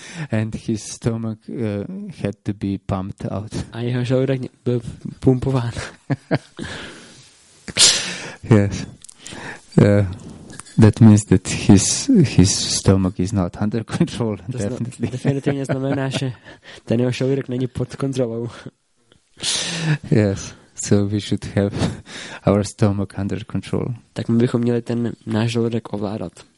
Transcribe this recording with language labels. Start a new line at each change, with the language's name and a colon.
English: And his stomach had to be pumped out.
Czech: A jeho žaludek byl pumpován.
English: Yes. That means that his stomach is not under control. Definitely.
Czech: Definitivně znamená, že ten jeho žaludek není pod kontrolou.
English: Yes. So we should have our stomach under control.
Czech: Tak my bychom měli ten náš žaludek ovládat.